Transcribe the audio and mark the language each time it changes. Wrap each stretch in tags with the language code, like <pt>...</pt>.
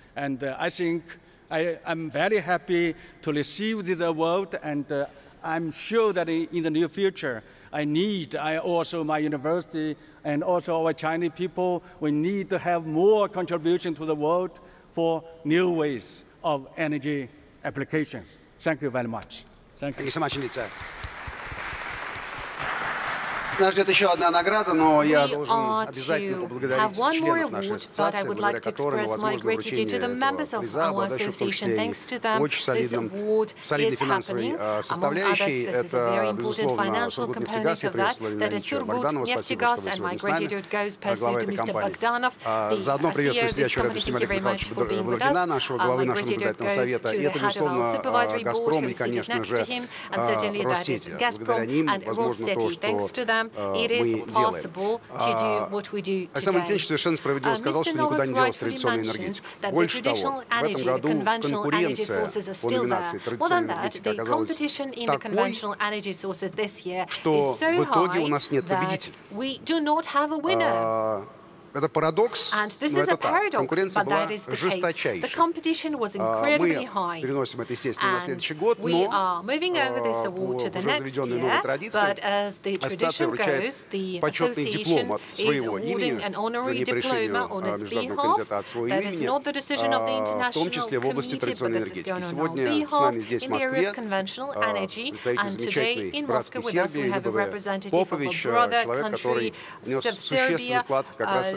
<en>And I think I'm very happy to receive this award, and I'm sure that in the near future, I also my university and also our Chinese people, we need to have more contribution to the world for new ways of energy applications. Thank you very much. Thank you so much, indeed, sir.</en> <ru>Нас ждет еще одна награда, но я должен обязательно поблагодарить членов нашей ассоциации, благодаря которым, возможно, вручение этого приза.</ru> <en>It is possible to do what we do today. Mr. Novak rightfully mentioned that the traditional energy, the conventional energy sources are still there. More than that, the competition in the conventional energy sources this year is so high that we do not have a winner.</en> <ru>Это парадокс,</ru> <en>and this</en> <ru>но</ru> <en>is</en> <ru>это</ru> <en>a paradox,</en> <ru>так. Конкуренция была жесточайшая.</ru> <en>The competition was incredibly high.</en> <ru>Мы переносим это, естественно, на следующий год, но уже заведенный новый традиции. Ассоциация вручает почетный диплом от своего имени, но не при этом, в том числе в области традиционной энергетики. Сегодня с нами здесь в Москве представитель Сербии, Бобрик Сербия, Попович, человек, который внес существенный вклад как раз</ru>